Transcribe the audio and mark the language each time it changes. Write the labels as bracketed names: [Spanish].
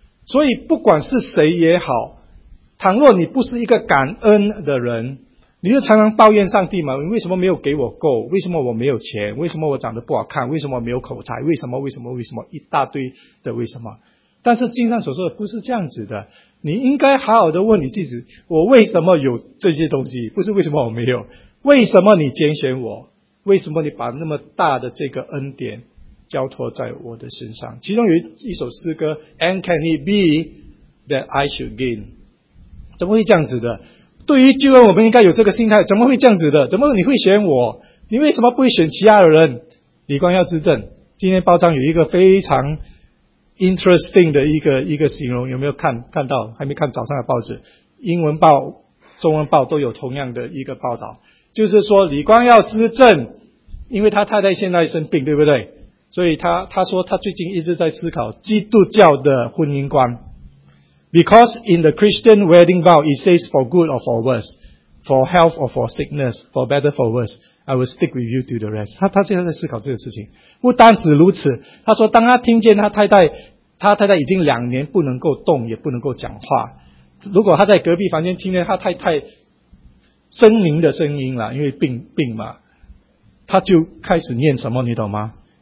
[Chinese] 所以不管是谁也好，倘若你不是一个感恩的人，你就常常抱怨上帝嘛，你为什么没有给我够，为什么我没有钱，为什么我长得不好看，为什么没有口才，为什么为什么为什么，一大堆的为什么。但是经上所说的不是这样子的，你应该好好的问你自己，我为什么有这些东西，不是为什么我没有，为什么你拣选我，为什么你把那么大的这个恩典交托在我的身上。其中有一首诗歌 [English] And can it be that I should gain， [Chinese] 怎么会这样子的？对于救恩我们应该有这个心态，怎么会这样子的？怎么你会选我？你为什么不会选其他的人？李光耀之证，今天报章有一个非常 interesting 的一个形容，有没有看到？还没看早上的报纸，英文报、中文报都有同样的一个报道，就是说李光耀之证，因为他太太现在生病，对不对？所以他说他最近一直在思考基督教的婚姻观。 [English] Because in the Christian wedding vow, it says for good or for worse, for health or for sickness, for better or for worse, I will stick with you to the rest. [Chinese] 他现在在思考这个事情。不单止如此，他说当他听见他太太已经两年不能够动也不能够讲话，如果他在隔壁房间听见他太太呻吟的声音啦，因为病嘛，他就开始念什么你懂吗？